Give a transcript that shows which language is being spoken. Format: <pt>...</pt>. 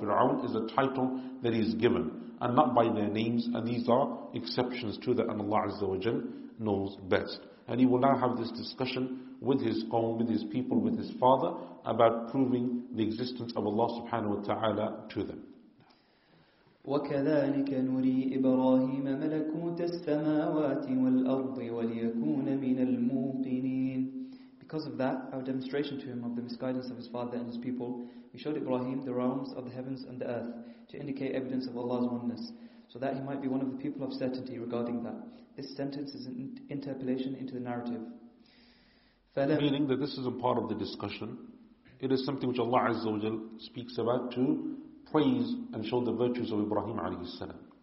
<en>Fir'aun is a title that he is given, and not by their names. And these are exceptions to that, and Allah Azza wa Jalla knows best. And he will now have this discussion with his qawm, with his people, with his father, about proving the existence of Allah subhanahu wa ta'ala to them.</en> <ar>وكذلك نري إبراهيم ملكوت السماوات والأرض وليكون من الموقنين.</ar> <en>Because of that, our demonstration to him of the misguidance of his father and his people, we showed Ibrahim the realms of the heavens and the earth to indicate evidence of Allah's oneness, so that he might be one of the people of certainty regarding that. This sentence is an interpolation into the narrative. Meaning that this isn't part of the discussion. It is something which Allah Azza wa Jal speaks about to praise and show the virtues of Ibrahim alayhi salam.</en>